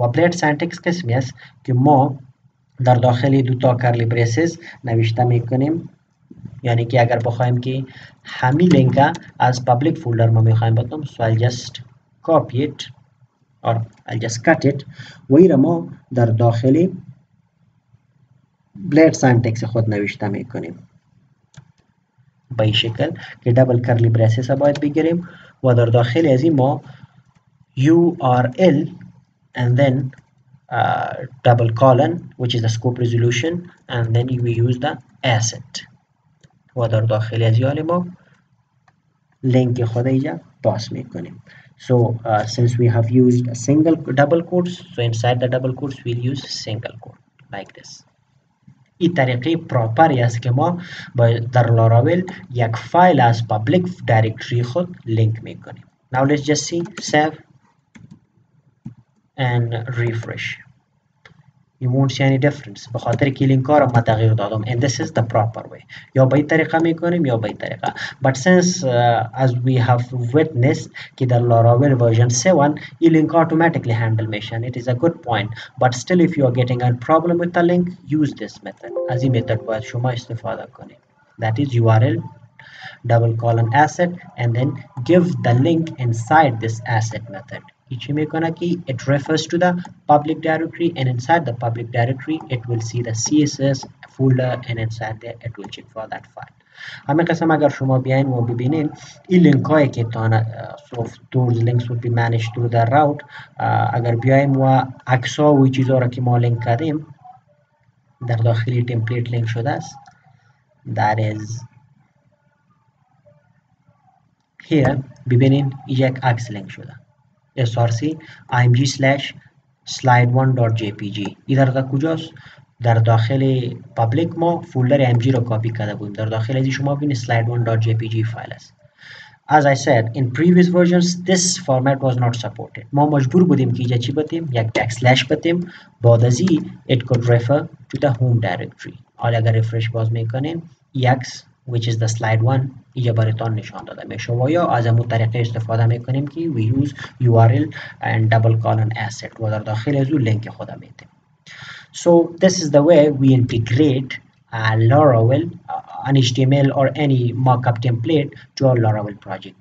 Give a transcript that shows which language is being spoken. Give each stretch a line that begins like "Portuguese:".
Persian: و blade syntax قسمی است که ما در داخل دو تا کرلی بریسز نوشته میکنیم, یعنی که اگر بخوایم که همی لینک از پبلیک فولدر ما میخوایم بتوم
English: so I'll just copy it or I'll just cut it
Persian: و ایر ما در داخل blade syntax خود نوشته میکنیم به این شکل که دبل کرلی بریسز باید بگیریم و در داخل از این ما URL
English: and then double colon, which is the scope resolution, and then we use the asset.
Persian: وادار داخلی از یال ما لینک خود ایجا پاس میکنیم.
English: So since we have used a single double quotes, so inside the double quotes we'll use single quote like this.
Persian: ای طریقی پراپری است که ما در لاراویل یک فایل از پابلیک دایرکتری خود لینک میکنیم.
English: Now let's just see, save and refresh. You won't see any difference.
Persian: بخاطر که لینک ها را ما تغییر دادم.
English: And this is the proper way.
Persian: یا به این طریقه می کنیم یا به این طریقه.
English: But since as we have witnessed که در Laravel version 7
Persian: این لینک ها
English: automatically handle میشن. It is a good point. But still if you are getting a problem with the link, use this method.
Persian: از این method باید شما استفاده کنیم.
English: That is URL double colon asset and then give the link inside this asset method. It refers to the public directory, and inside the public directory it will see the CSS folder, and inside there it will check for that file.
Persian: همه قسم اگر شما بیاین و ببینین این لینک هایی که تانا صرف
English: those links will be managed through the route.
Persian: اگر بیاین و اکسا و چیزا را که ما لینک کردیم در داخلی template لینک شده است,
English: that is here
Persian: ببینین یک اکس لینک شده src img slash slide1.jpg. ایدار دا کجاست؟ در داخل public ما folder img رو کپی کرده بودیم. در داخل ازی شما بین slide1.jpg فایل است.
English: As I said, in previous versions, this format was not supported.
Persian: ما مجبور بودیم که ایجا چی بتیم؟ یک backslash بتیم. بعد ازی,
English: it could refer to the home directory.
Persian: حال اگر refresh باز میکنیم, یکس,
English: which is the slide one,
Persian: ایجا بارتان نشان داده میشه و یا از امو طریقه استفاده میکنیم که
English: we use URL and double colon asset
Persian: و در داخل ازو لینک خودا میتیم.
English: So this is the way we integrate a Laravel, an HTML or any markup template to our Laravel project.